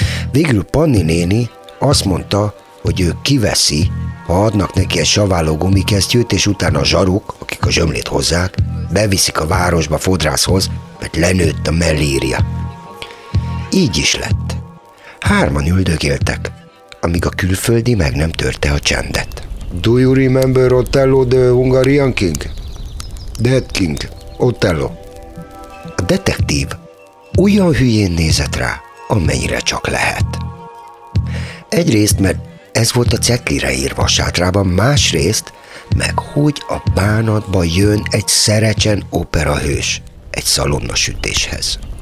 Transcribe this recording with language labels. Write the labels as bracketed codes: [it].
[hu] Végül Panni néni azt mondta, hogy ő kiveszi, ha adnak neki egy saváló gumikesztyűt, és utána a zsaruk, akik a zsömlét hozzák, beviszik a városba fodrászhoz, mert lenőtt a mellírja. Így is lett. Hárman üldögéltek, amíg a külföldi meg nem törte a csendet. [en] Do you remember Otello the Hungarian King? Dead King, Otello. [hu] A detektív olyan hülyén nézett rá, amennyire csak lehet. Egyrészt, mert ez volt a ceklire írva a sátrában, másrészt, meg hogy a bánatba jön egy szerecsen operahős egy szalonna sütéshez.